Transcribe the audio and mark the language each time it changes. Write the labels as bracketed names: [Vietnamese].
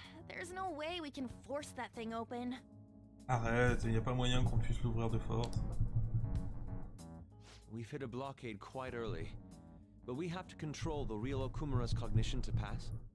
[English] There's no way we can force that thing open. [French] Arrête, il n'y a pas moyen qu'on puisse l'ouvrir de force. [English] We've hit a blockade quite early, but we have to control the real Okumura's cognition to pass.